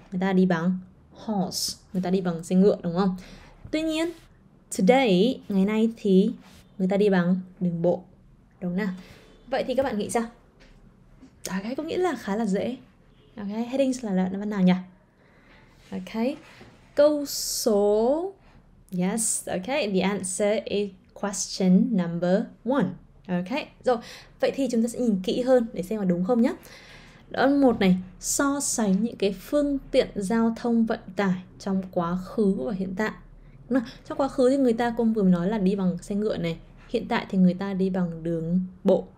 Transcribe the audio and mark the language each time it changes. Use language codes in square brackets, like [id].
[vi] Người ta đi bằng horse, người ta đi bằng xe ngựa, đúng không? Tuy nhiên, today, ngày nay thì người ta đi bằng đường bộ, đúng nào? Vậy thì các bạn nghĩ sao? Đó, cái có nghĩa là khá là dễ. Okay, headings là loại văn nào nhỉ? Okay, câu số... [en] Yes, okay, the answer is question number one. [vi] Okay, rồi, vậy thì chúng ta sẽ nhìn kỹ hơn để xem là đúng không nhé. Đoạn 1 này, so sánh những cái phương tiện giao thông vận tải trong quá khứ và hiện tại. Nào, trong quá khứ thì người ta cũng vừa nói là đi bằng xe ngựa này. Hiện tại thì người ta đi bằng đường bộ.